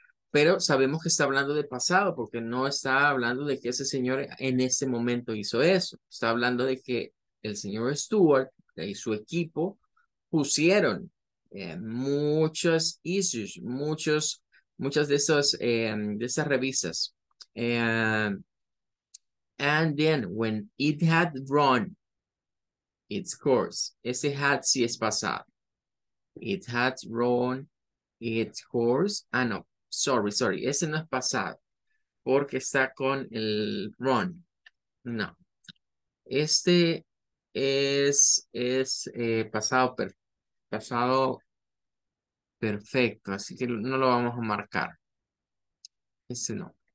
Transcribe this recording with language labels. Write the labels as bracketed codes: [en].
[es] Pero sabemos que está hablando de pasado porque no está hablando de que ese señor en ese momento hizo eso. Está hablando de que el señor Stewart y su equipo pusieron muchos issues, muchas de esas revistas. [en] And then when it had run its course, [es] ese had si es pasado. [en] It had run its course. [es] Ah, no, sorry, ese no es pasado porque está con el run. No, este es pasado perfecto, así que no lo vamos a marcar. Este no.